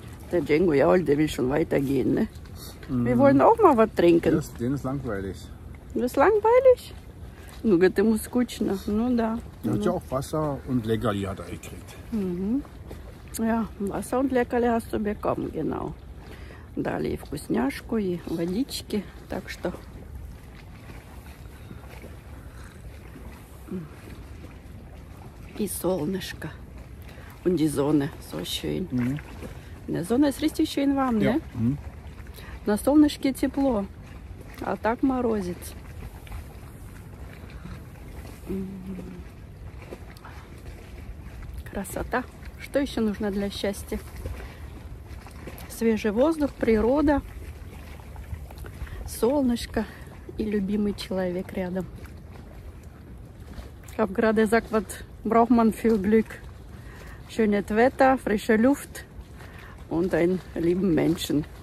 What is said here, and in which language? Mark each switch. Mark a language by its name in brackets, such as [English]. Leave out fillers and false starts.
[German] Der Django, ja, der will schon weitergehen, ne? Wir wollen auch mal was trinken. Den ist langweilig. Das ist langweilig? [Russian] Ну, говорит, ему скучно. Ну, да. [German] Ja, [Russian] ну, тебя [German] Wasser und Leckerli hat er gekriegt. Ja, Wasser und Leckerli hast du bekommen, genau. [Russian] Дали и вкусняшку, и водички, так что... И солнышко. [German] Und die Sonne, so schön. Die Sonne ist richtig schön warm, ne? [Russian] На солнышке тепло, а так морозец. Красота. Что еще нужно для счастья? Свежий воздух, природа. солнышко и любимый человек рядом. [German] Ich habe gerade gesagt, was braucht man für Glück? Schönes Wetter, frische Luft und einen lieben Menschen.